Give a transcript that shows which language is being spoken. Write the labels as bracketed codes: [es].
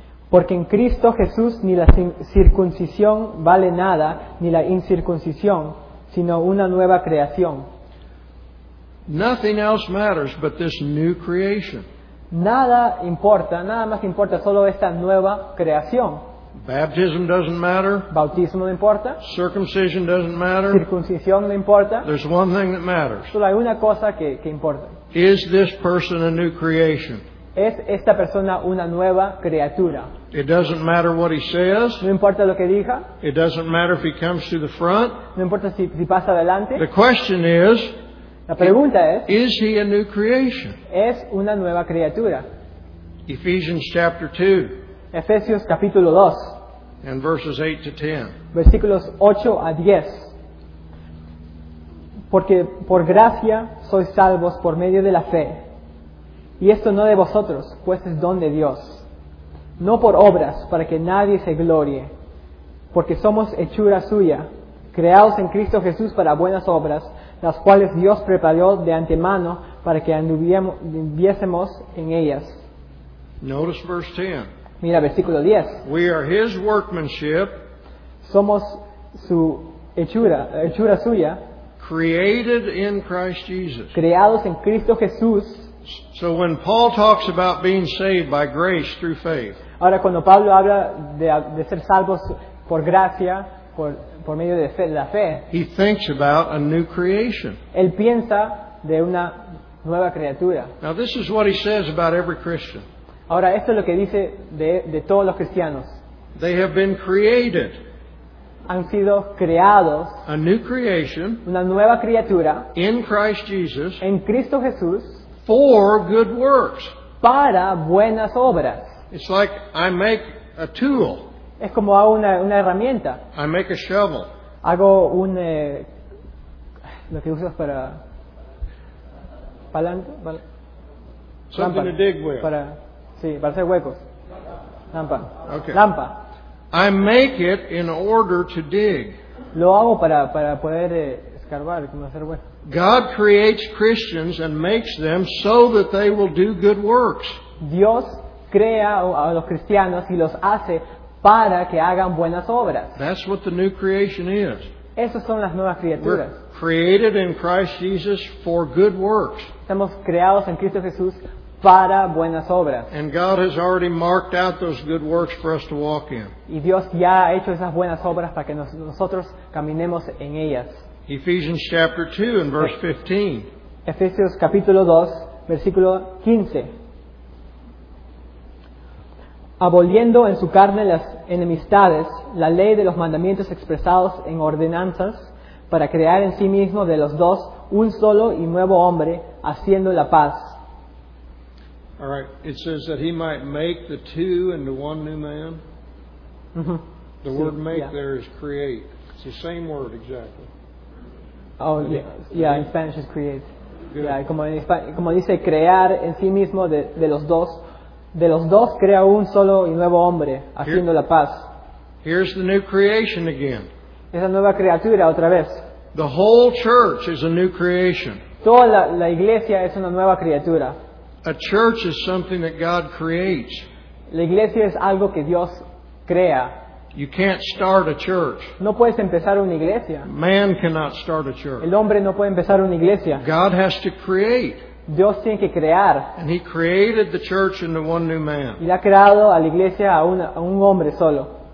[es] Porque en Cristo Jesús ni la circuncisión vale nada, ni la incircuncisión, sino una nueva creación. [en] Nothing else matters but this new creation. [es] Nada importa, nada más importa, solo esta nueva creación. [en] Baptism doesn't matter. [es] Bautismo no importa. [en] Circumcision doesn't matter. [es] Circuncisión no importa. [en] There's one thing that matters. [es] Solo hay una cosa que importa. [en] Is this person a new creation? [es] ¿Es esta persona una nueva criatura? [en] It doesn't matter what he says. [es] No importa lo que diga. [en] It doesn't matter if he comes to the front. [es] No importa si pasa adelante. [en] The question is, [es] la pregunta es, [en] is he a new creation? [es] ¿Es una nueva criatura? [en] Ephesians chapter 2. [es] Efesios capítulo 2. [en] And verses 8 to 10. [es] Versículos 8 a 10. Porque por gracia sois salvos por medio de la fe. Y esto no de vosotros, pues es don de Dios. No por obras, para que nadie se glorie. Porque somos hechura suya, creados en Cristo Jesús para buenas obras, las cuales Dios preparó de antemano para que anduviésemos en ellas. [en] Notice verse 10. [es] Mira versículo 10. [en] We are his workmanship. [es] Somos su hechura suya. [en] Created in Christ Jesus. [es] Creados en Cristo Jesús. [en] So when Paul talks about being saved by grace through faith. [es] Ahora cuando Pablo habla de ser salvos por gracia, por medio de fe, la fe. [en] He thinks about a new creation. [es] Él piensa de una nueva criatura. [en] Now this is what he says about every Christian. [es] Ahora esto es lo que dice de todos los cristianos. [en] They have been created. [es] Han sido creados. [en] A new creation. [es] Una nueva criatura. [en] In Christ Jesus. [es] En Cristo Jesús. [en] For good works. [es] Para buenas obras. [en] It's like I make a tool. [es] Es como hago una herramienta. [en] I make a shovel. [es] Hago un lo que usas para palanca, [en] something to dig with. [es] Para sí, para hacer huecos. Lampa. [en] Okay. [es] Lampa. [en] I make it in order to dig. [es] Lo hago para poder escarbar, como hacer huecos. [en] God creates Christians and makes them so that they will do good works. [es] Dios crea a los cristianos y los hace para que hagan buenas obras. [en] That's what the new creation is. [es] Esas son las nuevas criaturas. [en] We're created in Christ Jesus for good works. [es] Estamos creados en Cristo Jesús para buenas obras. [en] And God has already marked out those good works for us to walk in. [es] Y Dios ya ha hecho esas buenas obras para que nosotros caminemos en ellas. [en] Ephesians chapter 2 and verse 15. [es] Efesios capítulo 2, versículo 15. Aboliendo en su carne las enemistades, la ley de los mandamientos expresados en ordenanzas, para crear en sí mismo de los dos un solo y nuevo hombre, haciendo la paz. [en] All right, it says that he might make the two into one new man. The word make there is create. It's the same word exactly. Oh, yeah, in Spanish it's create. Good. [es] Yeah, como dice crear en sí mismo de los dos. De los dos crea un solo y nuevo hombre, haciendo la paz. [en] Here's the new creation again. [es] Esa nueva criatura otra vez. [en] The whole church is a new creation. [es] Toda la iglesia es una nueva criatura. [en] A church is something that God creates. [es] La iglesia es algo que Dios crea. [en] You can't start a church. [es] No puedes empezar una iglesia. [en] Man cannot start a church. [es] El hombre no puede empezar una iglesia. [en] God has to create. [es] Dios tiene que crear. [en] And he created the church into one new man. [es] Y ha creado a la iglesia a un hombre solo.